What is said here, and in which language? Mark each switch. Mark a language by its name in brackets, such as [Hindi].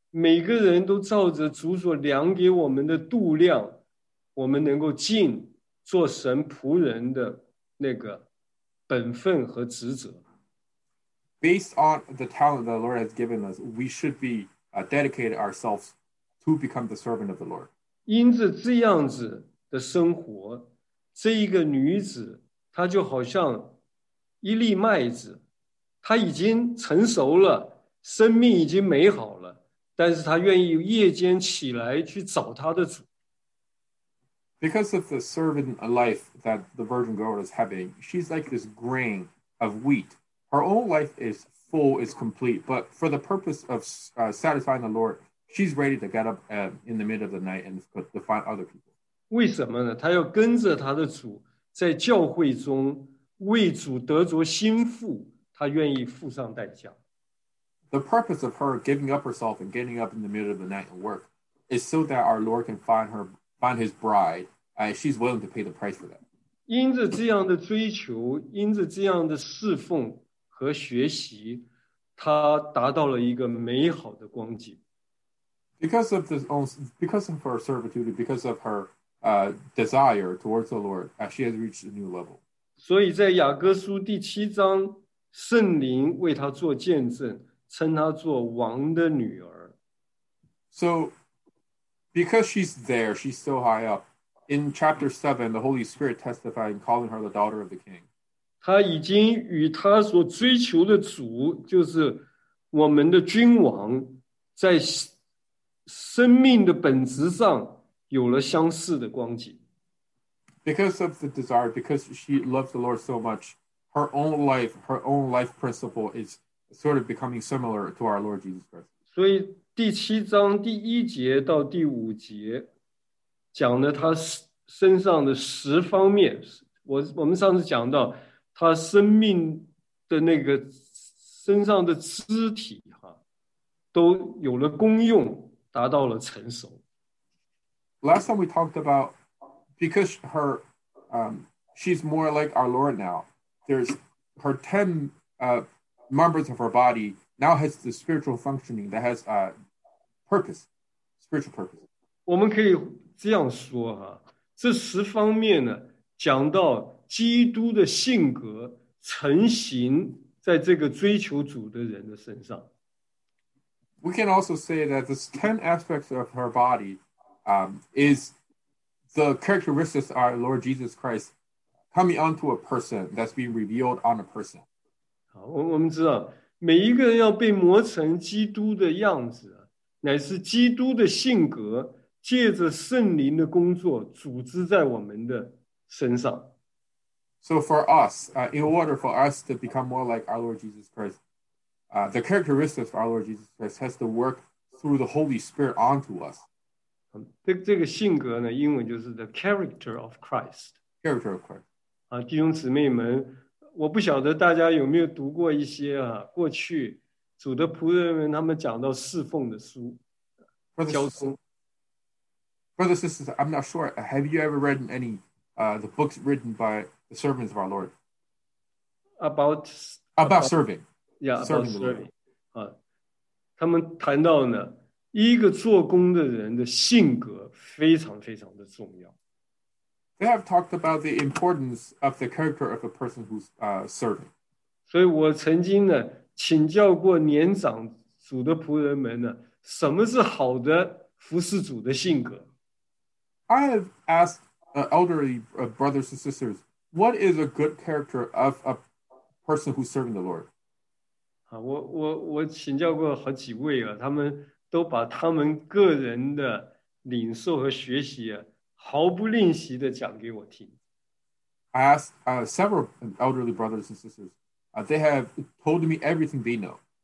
[Chinese] 每个人都照着主所量给我们的度量，我们能够尽做神仆人的那个本分和职责。 [English] Based on the talent that the Lord has given us, we should be dedicated ourselves to become the servant of the Lord. [Chinese] 因着这样子的生活，这一个女子，她就好像一粒麦子，她已经成熟了，生命已经美好了，但是她愿意夜间起来去找她的主。 [English] Because of the servant life that the virgin girl is having, she's like this grain of wheat. Her own life is full, is complete, but for the purpose of satisfying the Lord, she's ready to get up in the middle of the night and to find other people. [Chinese] 为什么呢？她要跟着她的主在教会中为主得着心腹，她愿意付上代价。 [English] The purpose of her giving up herself and getting up in the middle of the night and work is so that our Lord can find her. Find his bride, and she's willing to pay the price for that. [Chinese] 因着这样的追求，因着这样的侍奉和学习，他达到了一个美好的光景。 [English] Because of her servitude, because of her desire towards the Lord, she has reached a new level. [Chinese] 所以在雅各书第七章，圣灵为他做见证，称他做王的女儿。 [English] So. Because she's there, she's so high up. In chapter 7, the Holy Spirit testified and calling her the daughter of the king. [Chinese] 她已经与她所追求的主，就是我们的君王，在生命的本质上有了相似的光景。 [English] Because of the desire, because she loves the Lord so much, her own life principle is sort of becoming similar to our Lord Jesus Christ. [Chinese] 所以第七章第一节到第五节讲了他身上的十方面。我们上次讲到他生命的那个身上的肢体哈，都有了功用，达到了成熟。 [English] Last time we talked about, because her, she's more like our Lord now, there's her ten members of her body now has the spiritual functioning that has spiritual purpose. [Chinese] 我们可以这样说哈，这十方面呢，讲到基督的性格成型在这个追求主的人的身上。 [English] We can also say that the 10 aspects of her body, is the characteristics of our Lord Jesus Christ coming onto a person that's being revealed on a person. [Chinese] 好，我们知道每一个人要被磨成基督的样子。乃是基督的性格借着圣灵的工作组织在我们的身上。 [English] So for us, in order for us to become more like our Lord Jesus Christ, the characteristics of our Lord Jesus Christ has to work through the Holy Spirit onto us. [Chinese] 这个性格呢，英文就是 [English] the character of Christ. Character of Christ. [Chinese] 弟兄姊妹们，我不晓得大家有没有读过一些过去主的仆人们他们讲到侍奉的书 [English] Brothers, I'm not sure. Have you ever read any the books written by the servants of our Lord? About serving. Yeah, serving about serving. [Chinese] 他们谈到呢，一个做工的人的性格非常非常的重要。 [English] They have talked about the importance of the character of a person who's serving. [Chinese] 所以我曾经呢请教过年长主的仆人们呢，什么是好的服侍主的性格 [English] ？I have asked elderly brothers and sisters, what is a good character of a person who's serving the Lord? [Chinese] 我请教过好几位啊，他们都把他们个人的领受和学习啊，毫不吝惜的讲给我听。 [English] I asked several elderly brothers and sisters. They have told me everything they know.